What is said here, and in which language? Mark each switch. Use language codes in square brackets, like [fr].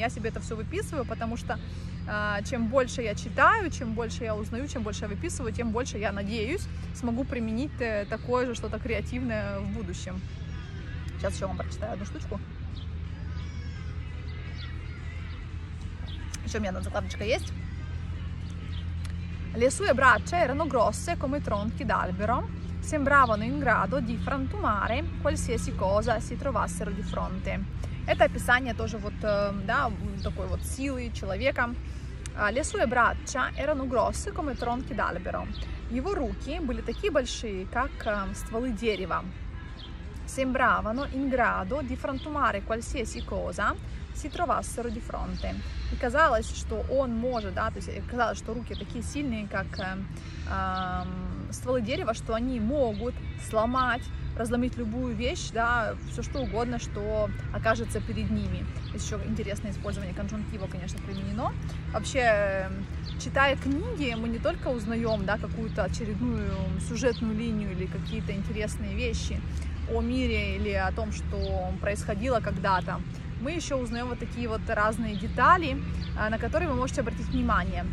[ru] Я себе это все выписываю, потому что чем больше я читаю, чем больше я узнаю, чем больше я выписываю, тем больше, я надеюсь, смогу применить такое же что-то креативное в будущем. Сейчас еще вам прочитаю одну штучку. Еще у меня одна закладочка есть. [it] Le sue braccia erano grosse come tronchi d'albero, sembravano in grado di frantumare qualsiasi cosa si trovassero di fronte. [ru] Это описание тоже вот, да, такой вот силы человека. [it] Le sue braccia erano grosse come tronchi d'albero. [ru] Его руки были такие большие, как стволы дерева. [it] Sembravano in grado di frantumare qualsiasi cosa si trovassero di fronte. [ru] И казалось, что он может, да, то есть казалось, что руки такие сильные, как стволы дерева, что они могут сломать, разломить любую вещь, да, все что угодно, что окажется перед ними. Здесь еще интересное использование конжунктива, конечно, применено. Вообще, читая книги, мы не только узнаем, да, какую-то очередную сюжетную линию или какие-то интересные вещи о мире или о том, что происходило когда-то, мы еще узнаем вот такие вот разные детали, на которые вы можете обратить внимание.